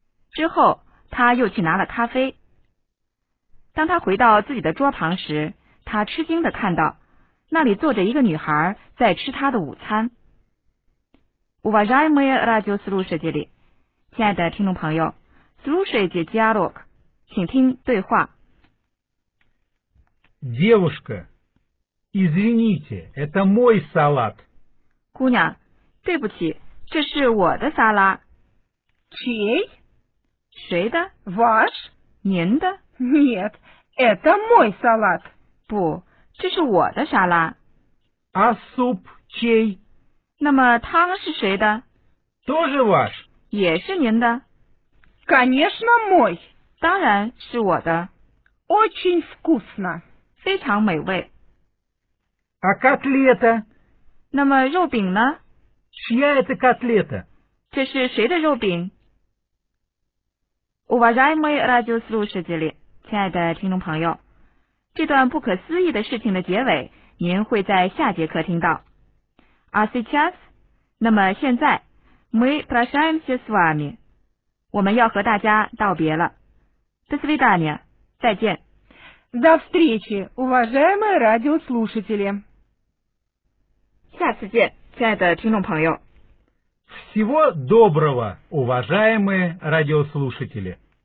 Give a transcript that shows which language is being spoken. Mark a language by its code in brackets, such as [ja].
[zh] 之后他又去拿了咖啡。当他回到自己的桌旁时，他吃惊地看到那里坐着一个女孩在吃她的午餐。 [ru] Уважаемые радиослушатели, [zh] 亲爱的听众朋友 , [ru] слушайте диалог, [zh] 请听对话。 [ru] Девушка,Извините, это мой салат. [zh] 姑娘，对不起，这是我的沙拉。 [ru] Чей? [zh] 谁的? [ru] Ваш? [zh] 您的? [ru] Нет, это мой салат. [zh] 不，这是我的沙拉。 [ru] А суп чей? [zh] 那么汤是谁的? [ru] Тоже ваш. [zh] 也是您的。 [ru] Конечно, мой. [zh] 当然是我的。 [ru] Очень вкусно. [zh] 非常美味。 [ru] А котлета? [zh] 那么肉饼呢? [ru] Чья это котлета? [zh] 这是谁的肉饼? [ru] Уважаемые радиослушатели, [zh] 亲爱的听众朋友，这段不可思议的事情的结尾，您会在下节课听到。 [ru] А сейчас? [zh] 那么现在, [ru] мы прощаемся с вами. [zh] 我们要和大家道别了。 [ru] До свидания, [zh] 再见。 [ru] До встречи, уважаемые радиослушатели. [zh] 下次见，亲爱的听众朋友。 [ru] Всего доброго, уважаемые радиослушатели.